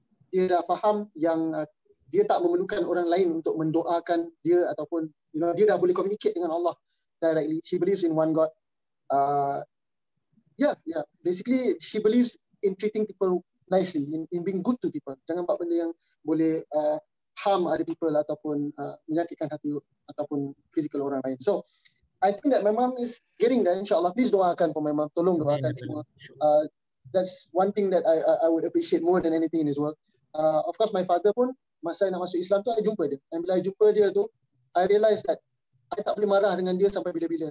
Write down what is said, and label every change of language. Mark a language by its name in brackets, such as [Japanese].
[Malay] Dia dah faham yang dia tak memerlukan orang lain untuk mendoakan dia ataupun, you know, dia dah boleh communicate dengan Allah directly. [English] She believes in one God. Yeah. Basically, she believes in treating people nicely, in being good to people. [Malay] Jangan buat benda yang boleh [English] harm other people [Malay] ataupun menyakitkan hati ataupun physical orang lain. [English] So, I think that my mom is getting that, insyaAllah. Please doakan for my mom. [Malay] Tolong doakan semua. [English] That's one thing that I would appreciate more than anything in this world. Of course, my father [Malay] pun, masa I nak masuk Islam tu, I jumpa dia. And bila I jumpa dia tu, [English] I realise that I [Malay] tak boleh marah dengan dia sampai bila-bila.